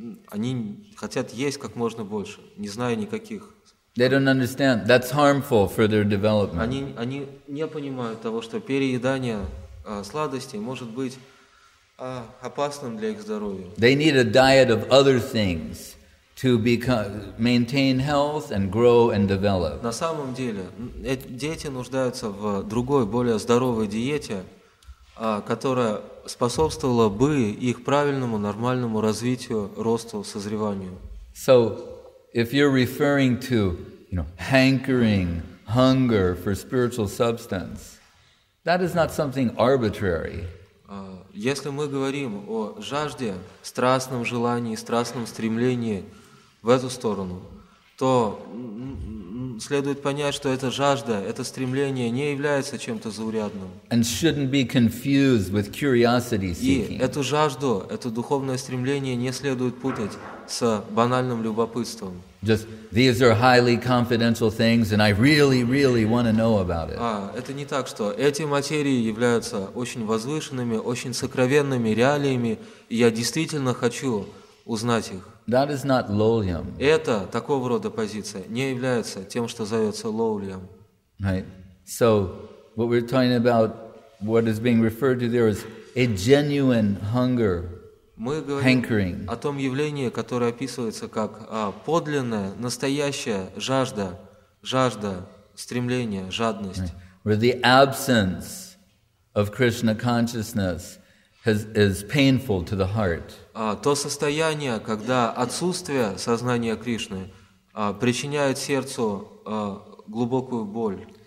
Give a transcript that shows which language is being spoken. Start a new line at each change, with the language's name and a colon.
Russian: Они хотят есть как можно больше, не зная никаких.
English: They don't understand. That's harmful for their development.
Russian: Они не понимают того, что переедание сладостей может быть опасным для их здоровья.
English: They need a diet of other things to become, maintain health and grow and develop.
Russian: На самом деле, дети нуждаются в другой, более здоровой диете, которая способствовала бы их правильному, нормальному развитию, росту, созреванию.
English: So, if you're referring to, you know, hankering, hunger for spiritual substance, that is not something arbitrary.
Russian: Если мы говорим о жажде, страстном желании, страстном стремлении в эту сторону, то следует понять, что эта жажда, это стремление не является чем-то заурядным.
English: And shouldn't be confused with curiosity seeking.
Russian: И эту жажду, это духовное стремление не следует путать с банальным любопытством.
English: Just, these are highly confidential things, and I really, really want to know about it.
Russian: А, это не так, что эти материи являются очень возвышенными, очень сокровенными реалиями, и я действительно хочу узнать их.
English: That is not lowlium.
Russian: Это такого рода позиция не является тем, что зовется lowlium.
English: Right. So, what we're talking about, what is being referred to there is a genuine hunger, hankering.
Russian: О том явлении, которое описывается как подлинная, настоящая жажда, жажда, стремление, жадность.
English: Right. Where the absence of Krishna consciousness is painful to the heart.
Russian: То состояние, когда отсутствие сознания Кришны причиняет сердцу глубокую боль.